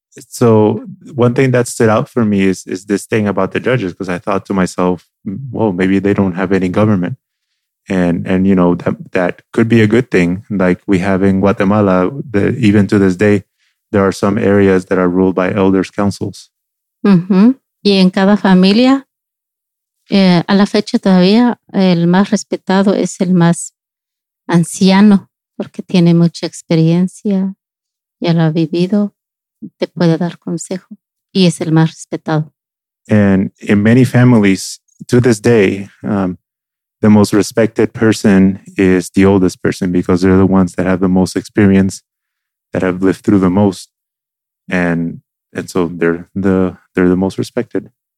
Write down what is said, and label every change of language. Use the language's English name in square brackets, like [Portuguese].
[English] So one thing that stood out for me is this thing about the judges, because I thought to myself, well, maybe they don't have any government. And you know, that could be a good thing. Like we have in Guatemala, even to this day, there are some areas that are ruled by elders' councils. [Spanish] Mm-hmm. Y en cada familia, a la fecha todavía, el más respetado es el más anciano, porque tiene mucha experiencia, ya lo ha vivido, te puede dar consejo, y es el más respetado. [English] And in many families, to this day, the most respected person is the oldest person because they're the ones that have the most experience, that have lived through the most, and so they're the most respected.